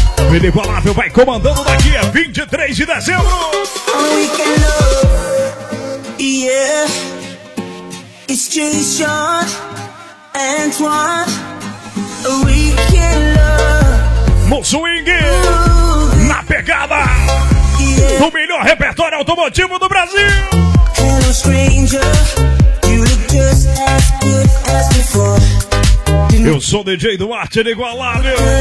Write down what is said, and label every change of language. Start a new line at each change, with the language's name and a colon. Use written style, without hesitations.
Portuguese: O Inigualável vai comandando daqui a 23 de dezembro.
English: We can love, yeah. It's Jason and what we can love.
Portuguese: No swing, na pegada, yeah. O melhor repertório automotivo do Brasil.
English: Hello stranger, you look just as good as before.
Portuguese: Eu sou DJ Duarte Inigualável.